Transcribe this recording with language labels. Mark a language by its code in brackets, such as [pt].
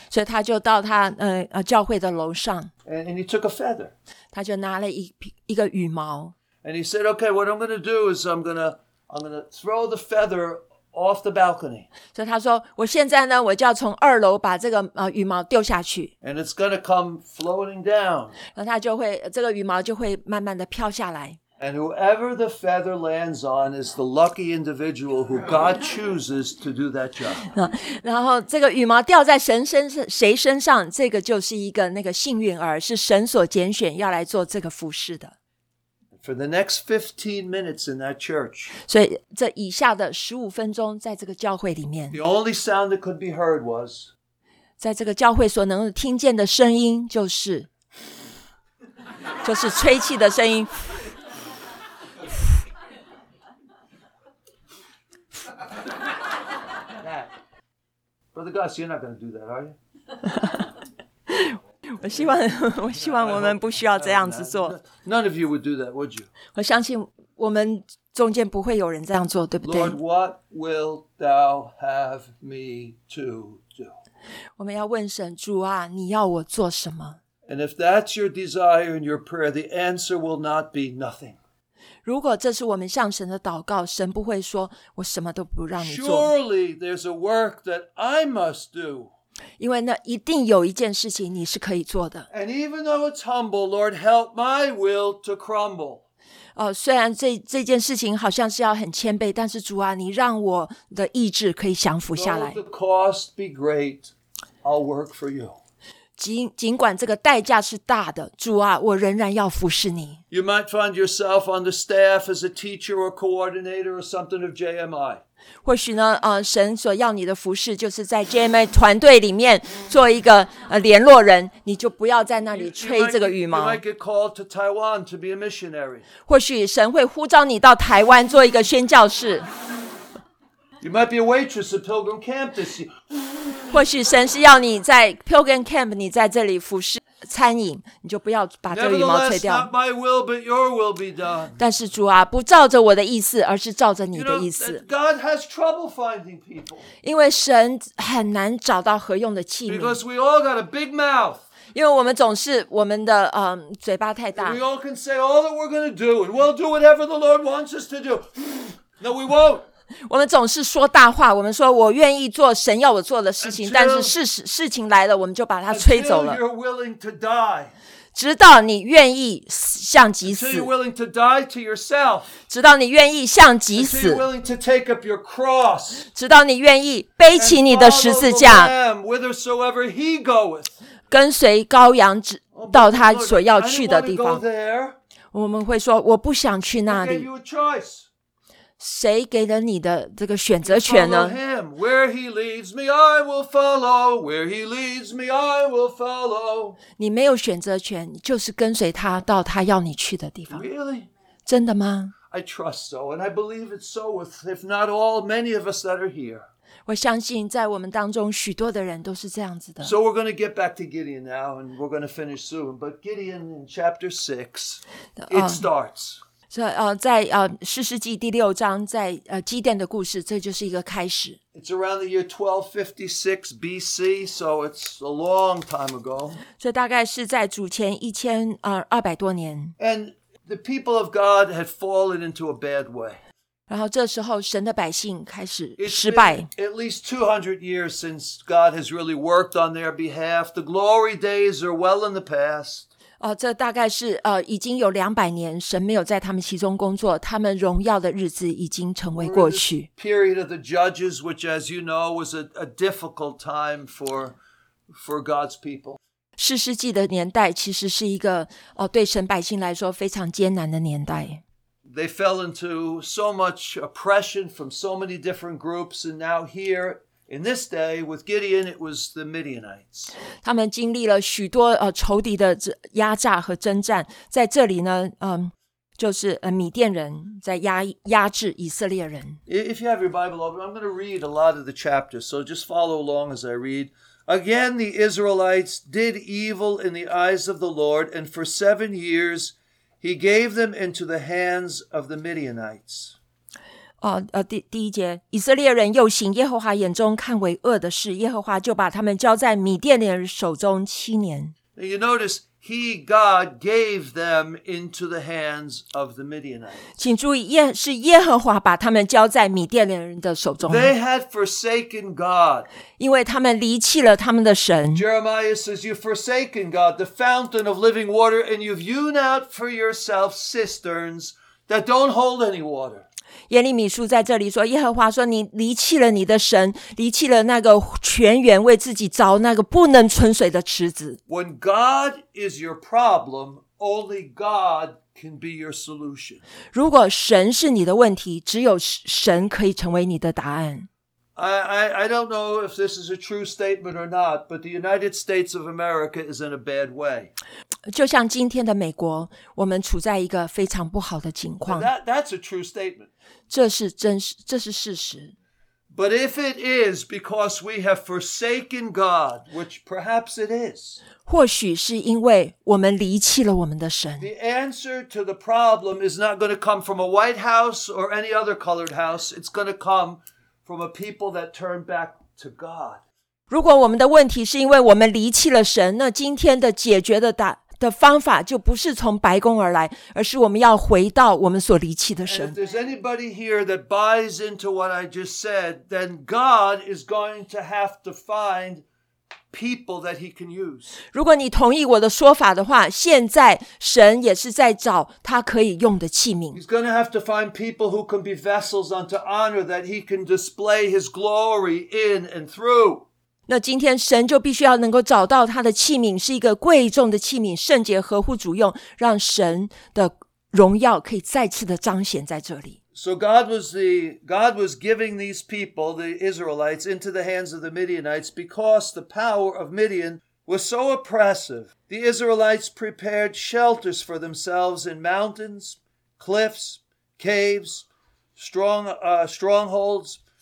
[zh] 所以他就到他教会的楼上。 [en] And he took a feather. [zh] 他就拿了一个羽毛。 [en] And he said, "Okay, what I'm going to do is I'm going to throw the feather off the balcony." So he said, [zh] "我现在呢，我就要从二楼把这个羽毛丢下去。 [en] And it's going to come floating down. [zh] 然后它就会这个羽毛就会慢慢的飘下来。 [en] And whoever the feather lands on is the lucky individual who God chooses to do that job. [zh] 然后这个羽毛掉在谁身上，这个就是一个那个幸运儿，是神所拣选要来做这个服事的。 [en] For the next 15 minutes in that church, [zh] 所以这以下的15分钟在这个教会里面 [en] the only sound that could be heard was, [zh] 在这个教会所能听见的声音就是就是吹气的声音 [en] Brother Gus, you're not going to do that, are you? [zh] 我希望我们不需要这样子做。 [en] None of you would do that, would you? [zh] 我相信我们中间不会有人这样做，对不对 [en] ？Lord, what will thou have me to do? [zh] 我们要问神，主啊，你要我做什么 [en] ？And if that's your desire and your prayer, the answer will not be nothing. [zh] 如果这是我们向神的祷告，神不会说我什么都不让你做。 [en] Surely there's a work that I must do. [zh] 因为那一定有一件事情你是可以做的。 [en] And even though it's humble, Lord, help my will to crumble. [zh] 虽然这件事情好像是要很谦卑，但是主啊，你让我的意志可以降服下来。 [en] Though the cost be great, I'll work for you. [zh] 尽管这个代价是大的，主啊，我仍然要服侍你。 [en] You might find yourself on the staff as a teacher or coordinator or something of JMI. [zh] 或许呢，神所要你的服事就是在 JMA 团队里面做一个联络人，你就不要在那里吹这个羽毛。 [en] You might get called to Taiwan to be a missionary. [zh] 或许神会呼召你到台湾做一个宣教士。 [en] You might be a waitress at Pilgrim Camp this year. [zh] 或许神是要你在 Pilgrim Camp， 你在这里服事。餐饮，你就不要把这个羽毛吹掉。 [en] Not my will, but your will be done. [zh] 但是主啊，不照着我的意思，而是照着你的意思。 [en] You know, God has trouble finding people. [zh] 因为神很难找到合用的器皿。 [en] Because we all got a big mouth. [zh] 因为我们总是我们的嘴巴太大。 [en] And we all can say all that we're going to do, and we'll do whatever the Lord wants us to do. No, we won't. [zh] 我们总是说大话，我们说我愿意做神要我做的事情，但是事情来了，我们就把它吹走了。 [en] You're willing to die, [zh] 直到你愿意向己死。 [en] Until you're willing to die to yourself, [zh] 直到你愿意向己死。 [en] Until you're willing to take up your cross, [zh] 直到你愿意背起你的十字架。 [en] And follow the Lamb whithersoever he goeth, [zh] 跟随羔羊到他所要去的地方。 [en] I didn't want to go there, [zh] 我们会说我不想去那里。 [en] I gave you a choice. [zh] 谁给了你的这个选择权呢 [en] follow him. Where he leads me, I will follow. Where he leads me, I will follow. [zh] 你没有选择权，就是跟随他到他要你去的地方。 [en] Really? [zh] 真的吗 [en] I trust so, and I believe it's so with, if not all, many of us that are here. [zh] 我相信在我们当中许多的人都是这样子的。 [en] So we're going to get back to Gideon now, and we're going to finish soon. But Gideon in chapter 6, it starts. [zh] 士师记第六章在基甸的故事，这就是一个开始。 [en] It's around the year 1256 BC, so it's a long time ago. [zh] 所以大概是在主前1200多年。 [en] And the people of God had fallen into a bad way. [zh] 然后这时候神的百姓开始失败。 [en] It's been at least 200 years since God has really worked on their behalf. The glory days are well in the past. [zh] 这大概是已经有200年神没有在他们其中工作，他们荣耀的日子已经成为过去。 [en] Period of the judges, which as you know was a difficult time for God's people. [zh] 士师记的年代其实是一个对神百姓来说非常艰难的年代。 [en] they fell into so much oppression from so many different groups, and now here in this day with Gideon, it was the Midianites. [zh] 他们经历了许多仇敌的压榨和征战，在这里呢，就是米甸人在压制以色列人。 [en] If you have your Bible open, I'm going to read a lot of the chapters, so just follow along as I read. Again, the Israelites did evil in the eyes of the Lord, and for 7 years. He gave them into the hands of the Midianites. [zh] 第一节，以色列人又行耶和华眼中看为恶的事，耶和华就把他们交在米甸人手中七年。 [en] You notice, he, God, gave them into the hands of the Midianites. [zh] 请注意，是耶和华把他们交在米甸人的手中。 [en] They had forsaken God. [zh] 因为他们离弃了他们的神。 [en] Jeremiah says, you've forsaken God, the fountain of living water, and you've hewn out for yourself cisterns that don't hold any water. [zh] 耶利米书在这里说，耶和华说，你离弃了你的神，离弃了那个泉源，为自己凿那个不能存水的池子。 [en] When God is your problem, only God can be your solution. [zh] 如果神是你的问题，只有神可以成为你的答案。 [en] I don't know if this is a true statement or not, but the United States of America is in a bad way. [zh] 就像今天的美国，我们处在一个非常不好的境况。 [en] That's a true statement. [zh] 这是事实。 [en] But if it is because we have forsaken God, which perhaps it is, [zh] 或许是因为我们离弃了我们的神。 [en] The answer to the problem is not going to come from a White House or any other colored house. It's going to come... from a people that turn back to God. [zh] 如果我们的问题是因为我们离弃了神，那今天的解决的方法就不是从白宫而来，而是我们要回到我们所离弃的神。 [en] And if there's anybody here that buys into what I just said, then God is going to have to find people that he can use. [zh] 如果你同意我的说法的话，现在神也是在找他可以用的器皿。 [en] He's going to have to find people who can be vessels unto honor that he can display his glory in and through. [zh] 那今天神就必须要能够找到他的器皿，是一个贵重的器皿，圣洁合乎主用，让神的荣耀可以再次的彰显在这里。 [en] So God was giving these people, the Israelites, into the hands of the Midianites because the power of Midian was so oppressive. The Israelites prepared shelters for themselves in mountains, cliffs, caves, strongholds.